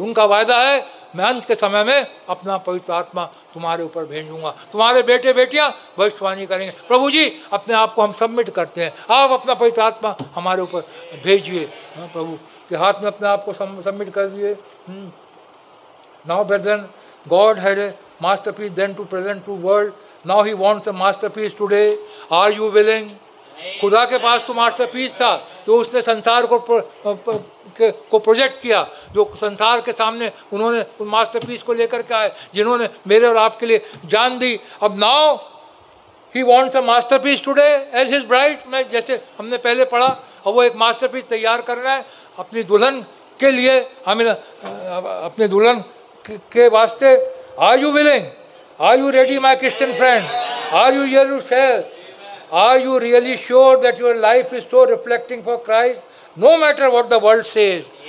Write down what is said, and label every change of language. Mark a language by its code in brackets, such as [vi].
[hi] उनका वायदा है, मैं अंत के समय में अपना पवित्र आत्मा तुम्हारे ऊपर भेजूंगा, तुम्हारे बेटे बेटियां भविष्यवाणी करेंगे, प्रभु जी अपने आप को हम सबमिट करते हैं, आप अपना पवित्र आत्मा हमारे ऊपर भेजिए। प्रभु के हाथ में अपने आप को सबमिट कर दिए। [en] Now, brethren, God had a masterpiece then to present to world. Now He wants a masterpiece today. Are you willing? [hi] खुदा के पास तो masterpiece था जो उसने संसार को project किया, जो संसार के सामने उन्होंने उन masterpiece को लेकर के आए, जिन्होंने मेरे और आपके लिए जान दी। अब [en] now He wants a masterpiece today as His bride. [hi] मैं जैसे हमने पहले पढ़ा, अब वो एक masterpiece तैयार कर रहा है अपनी दुल्हन के लिए, हमें अपने दुल्हन के वास्ते। [en] Are you willing, are you ready my Christian friend, are you here to share, are you really sure that your life is so reflecting for Christ no matter what the world says.